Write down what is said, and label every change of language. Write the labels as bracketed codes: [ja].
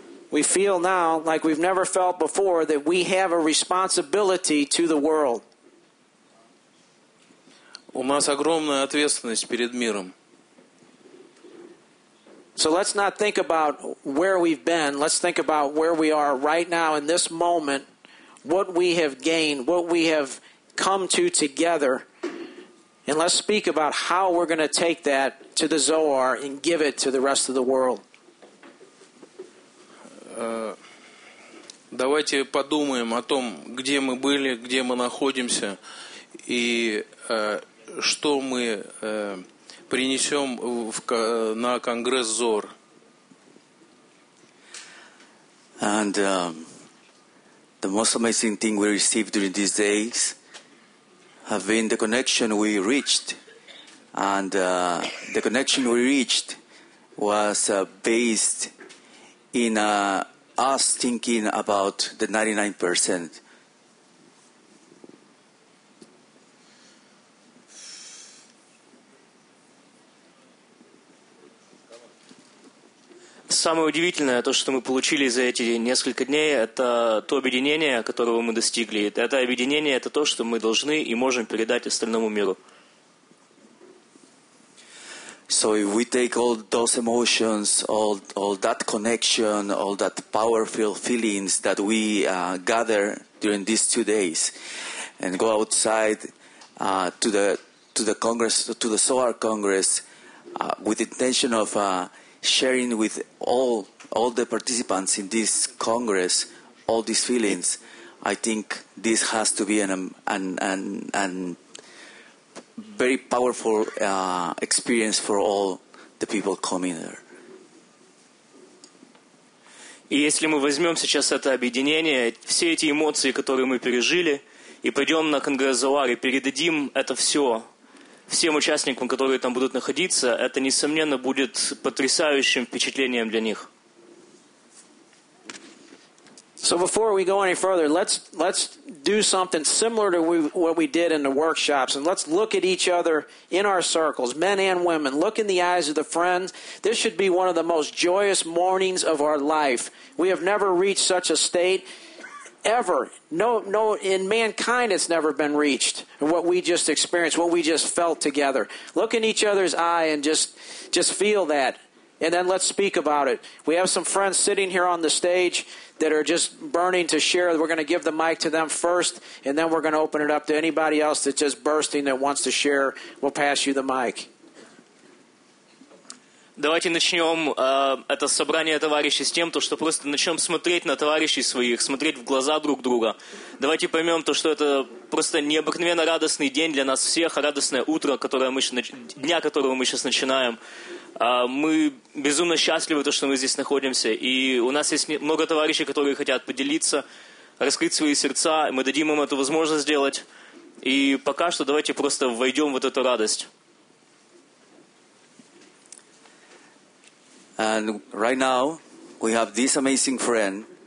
[en] We feel now like we've never felt before that we have a responsibility to the world. [ru] У нас огромная ответственность перед миром. [en] So let's not think about where we've been, let's think about where we are right now in this moment, what we have gained, what we have come to together, and let's speak about how we're going to take that to the Zohar and give it to the rest of the world. [ru] Давайте подумаем о том, где мы были, где мы находимся, и что мы принесем на конгресс ЗОР. [en] And the most amazing thing we received during these days have been the connection we reached. And the connection we reached was based in us thinking about the 99%. [ru] Самое удивительное, то, что мы получили за эти несколько дней, это то объединение, которого мы достигли. Это объединение, это то, что мы должны и можем передать остальному миру. [en] So if we take all those emotions, all that connection, all that powerful feelings that we gather during these 2 days and go outside to the Congress, to the SOAR Congress, with the intention of sharing with all the participants in this Congress all these feelings, I think this has to be an very powerful experience for all the people coming there. [ru] И если мы возьмем сейчас это объединение, все эти эмоции, которые мы пережили, и пойдем на Конгресс ЗОАР и передадим это все всем участникам, которые там будут находиться, это, несомненно, будет потрясающим впечатлением для них. [en] So before we go any further, let's do something similar to what we did in the workshops, and let's look at each other in our circles, men and women, look in the eyes of the friends. This should be one of the most joyous mornings of our life. We have never reached such a state ever. No, in mankind it's never been reached, what we just experienced, what we just felt together. Look in each other's eye and just feel that, and then let's speak about it. We have some friends sitting here on the stage that are just burning to share. We're going to give the mic to them first, and then we're going to open it up to anybody else that's just bursting that wants to share. We'll pass you the mic. [ru] Давайте начнем это собрание товарищей с тем, то, что просто начнем смотреть на товарищей своих, смотреть в глаза друг друга. Давайте поймем то, что это просто необыкновенно радостный день для нас всех, радостное утро, дня которого мы сейчас начинаем. Мы безумно счастливы, то, что мы здесь находимся, и у нас есть много товарищей, которые хотят поделиться, раскрыть свои сердца, мы дадим им эту возможность сделать, и пока что давайте просто войдем в эту радость. [en] And right now we have this amazing friend.